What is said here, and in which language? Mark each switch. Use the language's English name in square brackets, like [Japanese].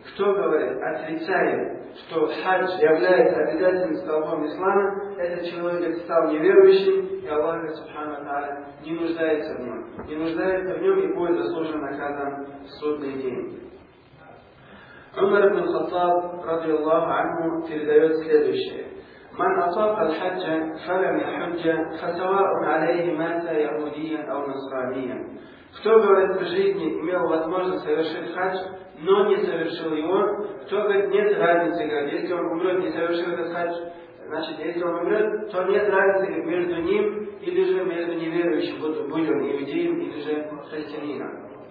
[Russian] Кто, говорит, отрицает, что хадж является обязательным столпом ислама, этот человек стал неверующим, и Аллах Субхану Тааля не нуждается в нем. Не нуждается в нем и будет заслужен наказан в судный день. Умар ибн Хаттаб, ради Аллаху анху, передает следующее. [Arabic] من أصاب الحج فلم يحج فسواء عليه مات يهوديا أو نصرانيا. [Russian] Кто, говорит, в жизни имел возможность совершить хадж, но не совершил его, то, говорит, нет разницы, говорит, если он умрет, не совершил этот хадж, значит, если он умрет, то нет разницы между ним или же между неверующим, будь он иудеем или же христианином.